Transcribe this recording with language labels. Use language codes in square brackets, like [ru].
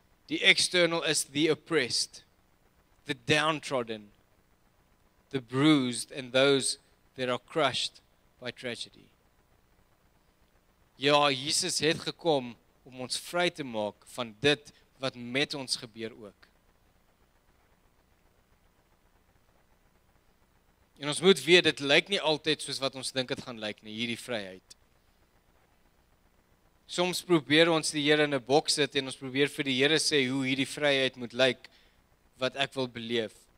[en] Die external is the oppressed, the downtrodden, the bruised and those that are crushed by tragedy. [af] Ja, Jesus het gekom om ons vry te maak van dit wat met ons gebeur ook. En ons moet weet, dit lyk nie altyd soos wat ons dink het gaan lyk nie, hierdie vryheid. Soms probeer ons die Here in 'n boks sit en ons probeer vir die Here sê hoe hierdie vryheid moet lyk, wat ek wil beleef.